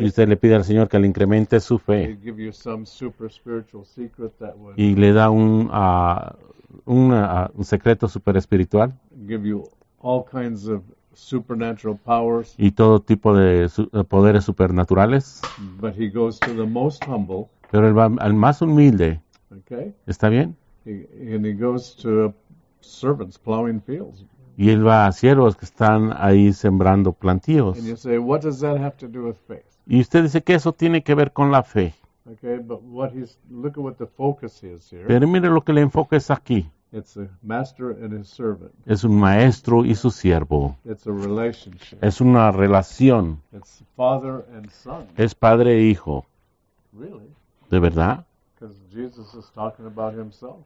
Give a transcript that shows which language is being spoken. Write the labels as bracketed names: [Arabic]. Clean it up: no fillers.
[Spanish] y usted le pide al Señor que le incremente su fe. [English] He'd give you some super spiritual secret that would, [Spanish] y le da un secreto super espiritual [English] give you all kinds of supernatural powers, [Spanish] y todo tipo de poderes supernaturales, [English] but he goes to the most humble, [Spanish] pero él va al más humilde, [English] okay. [Spanish] ¿Está bien? [English] And he goes to servants plowing fields. [Spanish] Y él va a siervos que están ahí sembrando plantíos. [English] And you say, what does that have to do with faith? [Spanish] Y usted dice que eso tiene que ver con la fe. [English] Okay, but what he's look at what the focus is here. [Spanish] Pero mire lo que el enfoque es aquí. [English] It's a master and his servant. [Spanish] Es un maestro y su siervo. [English] It's a relationship. [Spanish] Es una relación. [English] It's father and son. [Spanish] Es padre e hijo. [English] Really? [Spanish] ¿De verdad? [English] Because Jesus is talking about himself.